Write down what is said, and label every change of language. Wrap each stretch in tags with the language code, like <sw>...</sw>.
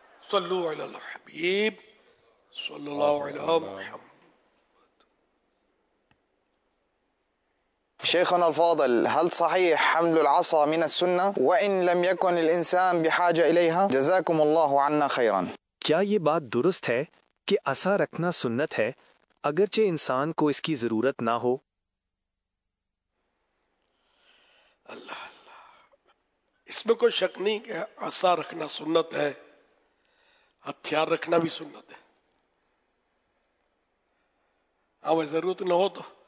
<ur>صلو علی الحبیب صلی اللہ علیہ وسلم.</ur> <ar>شيخنا الفاضل, هل صحيح حمل العصا من السنة وإن لم يكن الإنسان بحاجة إليها؟ جزاكم الله عنا خيرا.</ar> <ur>کیا یہ بات درست ہے کہ عصا رکھنا سنت ہے اگرچہ انسان کو اس کی ضرورت نہ ہو؟ اللہ اللہ, اس میں کوئی شک نہیں کہ عصا رکھنا سنت ہے, ہتھیار رکھنا بھی سنت ہے, اب ضرورت نہ ہو تو.</ur>